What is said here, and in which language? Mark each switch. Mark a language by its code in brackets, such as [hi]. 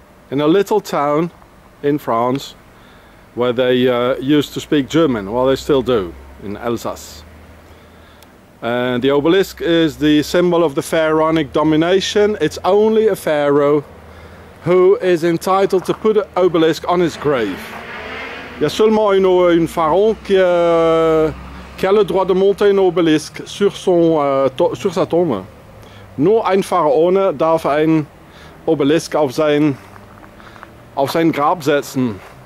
[en] In a little town in France where they used to speak German, well, they still do, in Alsace. And the obelisk is the symbol of the pharaonic domination. It's only a pharaoh who is entitled to put an obelisk on his grave. [fr] Il y a seulement un pharaon qui a le droit de monter un obelisk sur sa tombe. [de] Nur ein pharaon darf ein obelisk auf sein Grab setzen.